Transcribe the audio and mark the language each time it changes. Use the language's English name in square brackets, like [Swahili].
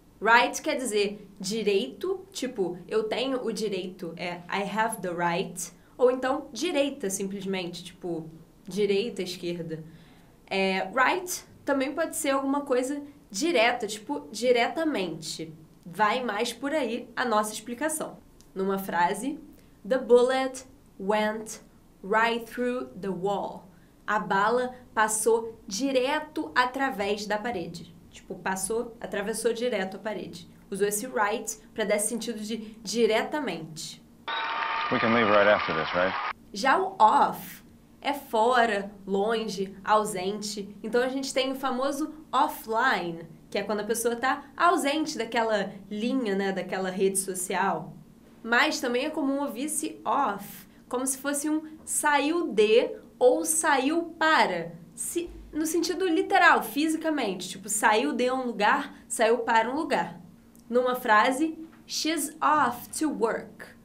[Portuguese] Right quer dizer direito, tipo, eu tenho o direito, é [English] I have the right. [Portuguese] Ou então direita, simplesmente, tipo, direita, esquerda. É, right também pode ser alguma coisa direta, tipo, diretamente. Vai mais por aí a nossa explicação. Numa frase, [English] the bullet went right through the wall. [Portuguese] A bala passou direto através da parede. Tipo, passou, atravessou direto a parede. Usou esse right para dar sentido de diretamente. [English] We can leave right after this, right? [Portuguese] Já o off é fora, longe, ausente. Então a gente tem o famoso offline, que é quando a pessoa está ausente daquela linha, né, daquela rede social. Mas também é comum ouvir esse off como se fosse um saiu de ou saiu para, se, no sentido literal, fisicamente, tipo, saiu de um lugar, saiu para um lugar. Numa frase, [English] she's off to work.